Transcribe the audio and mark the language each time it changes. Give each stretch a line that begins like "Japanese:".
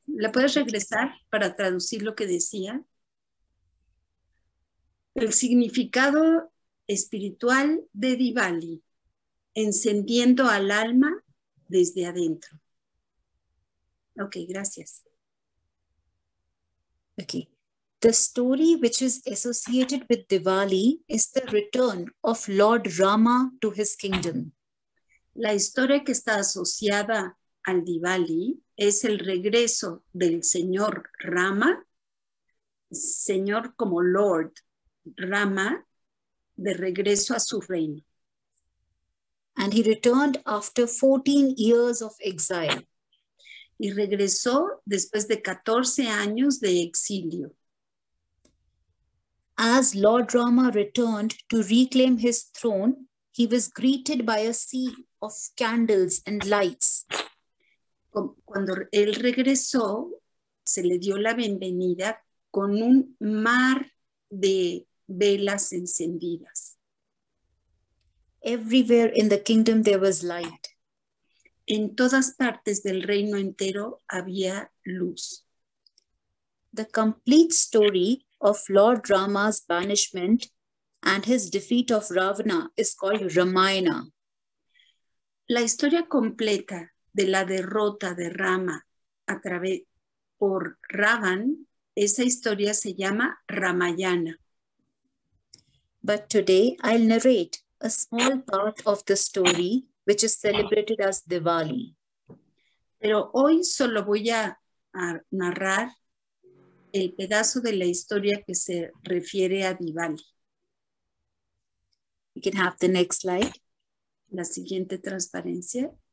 Spanish: ¿La puedes regresar para traducir lo que decía? El significado espiritual de Diwali, encendiendo al alma desde adentro. Ok, gracias.
English: Okay. The story which is associated with Diwali is the return of Lord Rama to his kingdom.
Spanish: La historia que está asociada al Diwali es el regreso del señor Rama, señor como Lord Rama, de regreso a su reino.
English: And he returned after 14 years of exile.
Spanish: Y regresó después de 14 años de exilio.
English: As Lord Rama returned to reclaim his throne, he was greeted by a sea of candles and lights.
Spanish: Cuando él regresó, se le dio la bienvenida con un mar de velas encendidas.
English: Everywhere in the kingdom there was light.
Spanish: En todas partes del reino entero había luz.
English: The complete story of Lord Rama's banishment and his defeat of Ravana is called Ramayana.
Spanish: La historia completa de la derrota de Rama a través por Ravan, esa historia se llama Ramayana.
English: But today I'll narrate a small part of the story which is celebrated as Diwali.
Spanish: Pero hoy solo voy a narrar el pedazo de la historia que se refiere a Diwali.
English: You can have the next slide.
Spanish: La siguiente transparencia.